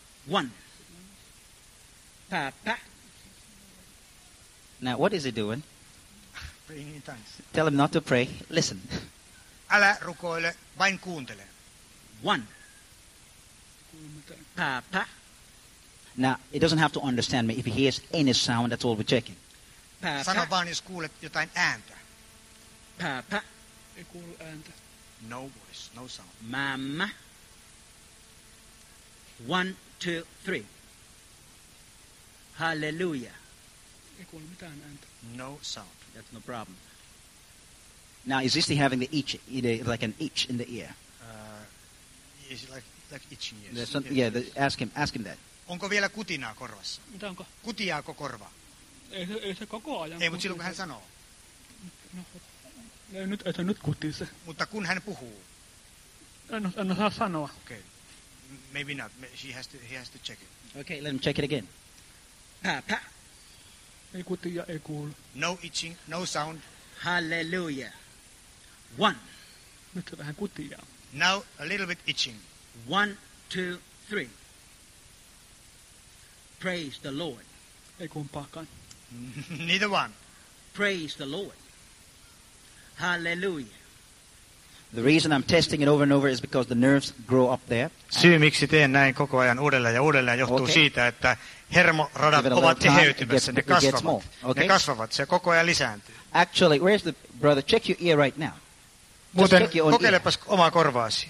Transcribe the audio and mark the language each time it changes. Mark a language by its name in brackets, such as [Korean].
[English] One. Papa. Now, what is he doing? Praying in tongues. Tell him not to pray. Listen. [Finnish] Älä rukoile, vain kuuntele. [English] One. Papa. Now, it doesn't have to understand me. If he hears any sound, that's all we're checking. Papa. [Finnish] Sano vaan, jos kuulet jotain ääntä. [English] Papa. [Finnish] Ei kuulu ääntä. [English] No voice, no sound. Mamma. One, two, three. Hallelujah. [Finnish] Ei kuulu mitään ääntä. [English] No sound. That's no problem. Now, is this having the itch, like an itch in the ear? Is it like itching, yes. Ask him that. [Finnish] Onko vielä kutinaa korvassa? Mitä onko? Kutiaako korva? Ei se koko ajan. Ei, mutta silloin kun hän sanoo. No, ei se nyt kutise. Mutta kun hän puhuu. En osaa sanoa. [English] Okay. Maybe not. He has to check it. Okay, let him check it again. Papa. [Finnish] Ei kutia, ei kuulu. [English] No itching, no sound. Hallelujah. One. [Finnish] Nyt on vähän kutia. [English] Now a little bit itching. One, two, three. Praise the Lord. [Finnish] Ei kumpaakaan. [English] Neither one. Praise the Lord. Hallelujah. The reason I'm testing it over and over is because the nerves grow up there. [Finnish] Syy, miksi teen näin koko ajan uudelleen ja uudelleen, johtuu okay. siitä, että hermoradat ovat tiheytymässä, ne kasvavat. Okay. Ne kasvavat, se koko ajan lisääntyy. [English] Actually, where's the brother? Check your ear right now. [Finnish] Muuten, kokeilepas omaa korvaasi.